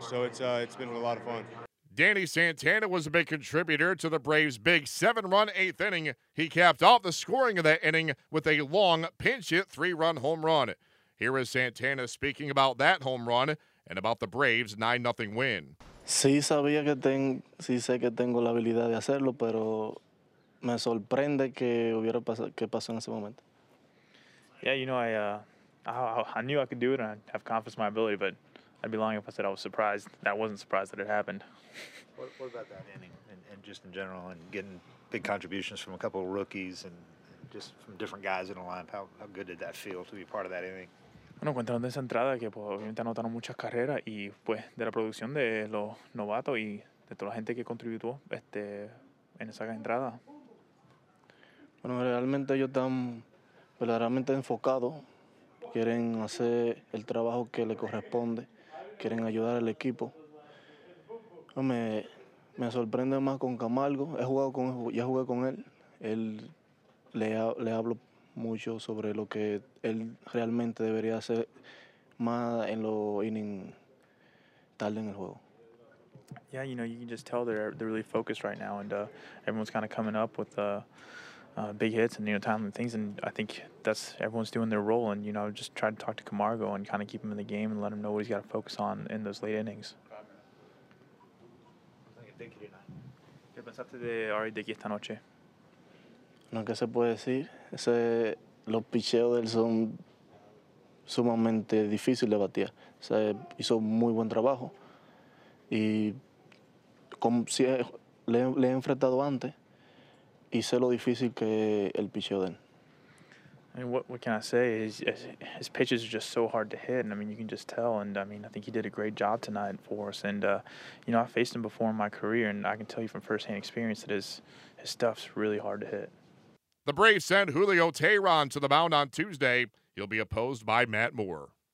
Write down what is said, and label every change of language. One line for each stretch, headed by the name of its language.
English: So it's been a lot of fun. Danny Santana was a big contributor to the Braves' big 7-run 8th inning. He capped off the scoring of that inning with a long pinch-hit 3-run home run. Here is Santana speaking about that home run and about the Braves' 9-0 win.
Spanish: Sí, sabía que sé que tengo la habilidad de hacerlo, pero me sorprende que hubiera pasó en ese momento.
English: Yeah, you know, I knew I could do it and I have confidence in my ability, but I'd be lying if I said I was surprised. That wasn't surprised that it happened. What about that inning and just in general and getting big contributions from a couple of rookies and just from different guys in the lineup? How good did that feel to be part of that inning?
Spanish: Bueno, cuentan de esa entrada que pues, obviamente anotaron muchas carreras y pues de la producción de los novatos y de toda la gente que contribuyó en esa entrada. Bueno, realmente ellos están verdaderamente enfocados. Quieren hacer el trabajo que le corresponde. Quieren ayudar al equipo. Me sorprende más con Camargo. Ya jugué con él. Él le hablo mucho sobre lo que él realmente debería hacer más en los innings tarde en el juego.
English: Yeah, you know, you can just tell they're really focused right now, and everyone's kind of coming up with big hits and, you know, timely things, and I think that's everyone's doing their role. And, you know, just try to talk to Camargo and kind of keep him in the game and let him know what he's got to focus on in those late innings.
Spanish: ¿Qué pensaste de Ari Dickey esta noche? No, ¿qué se puede decir? Los picheos de él son sumamente difíciles de batir. Hizo muy buen trabajo. Y como si le he enfrentado antes, y sé lo difícil que el picheo de él.
English: I mean, what can I say? His pitches are just so hard to hit, and I mean, you can just tell. And I mean, I think he did a great job tonight for us. And you know, I faced him before in my career, and I can tell you from firsthand experience that his stuff's really hard to hit. The Braves sent Julio Teheran to the mound on Tuesday. He'll be opposed by Matt Moore.